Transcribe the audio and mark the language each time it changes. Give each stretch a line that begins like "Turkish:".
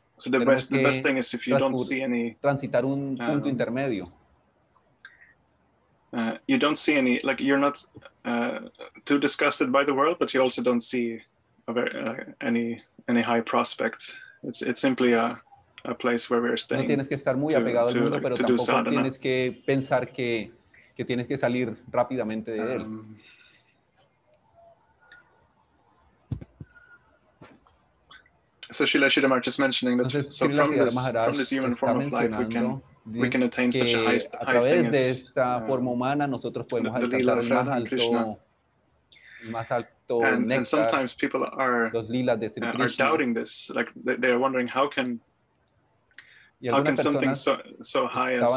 English: So the best thing is if you don't see any
Spanish: transitar un punto intermedio.
English: You don't see any like you're not too disgusted by the world, but you also don't see a very, any high prospect. It's simply a a place where we're staying.
Spanish: No tienes que estar muy apegado al mundo, pero tampoco tienes que pensar que tienes que salir rápidamente de él.
English: So Srila Siddhamar just mentioning that from this human form of life we can attain such a high thing as
Spanish: de esta forma humana nosotros podemos alcanzar más alto
English: and sometimes people are doubting this, like they are wondering how can something so high